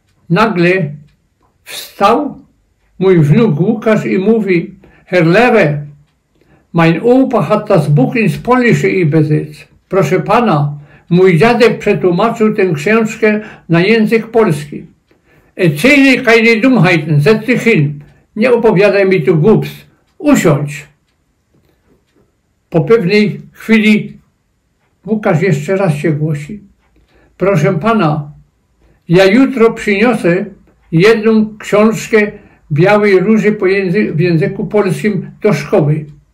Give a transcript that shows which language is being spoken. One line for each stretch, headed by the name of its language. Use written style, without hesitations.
Polish: Nagle wstał mój wnuk Łukasz i mówi,
German: Herr Lehrer, mein Opa hat das Buch ins Polnische übersetzt.
Polish: Proszę pana, mój dziadek przetłumaczył tę książkę na język polski.
German: Erzähle keine Dummheiten, setz dich hin.
Polish: Nie opowiadaj mi tu głupstw. Usiądź. Po pewnej chwili Łukasz jeszcze raz się głosi. Proszę pana, ja jutro przyniosę jedną książkę Białej Róży w języku polskim do szkoły.